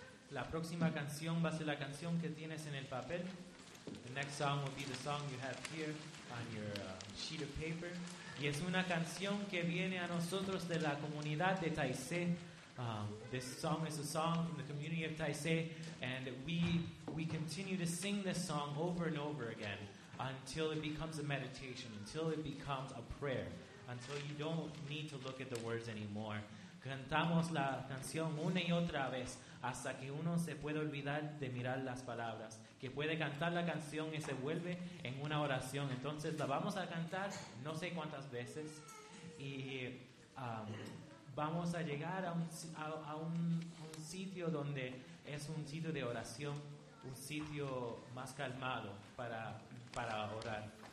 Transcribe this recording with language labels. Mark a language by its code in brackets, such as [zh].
[es] La próxima canción va a ser la canción que tienes en el papel. [en] The next song will be the song you have here on your sheet of paper. [es] Y es una canción que viene a nosotros de la comunidad de Taizé. [en] This song is a song from the community of Taizé, and we continue to sing this song over and over again until it becomes a meditation, until it becomes a prayer, until you don't need to look at the words anymore. [es] Cantamos la canción una y otra vez hasta que uno se puede olvidar de mirar las palabras, que puede cantar la canción y se vuelve en una oración. Entonces la vamos a cantar no sé cuántas veces y vamos a llegar a un sitio donde es un sitio de oración, un sitio más calmado para orar.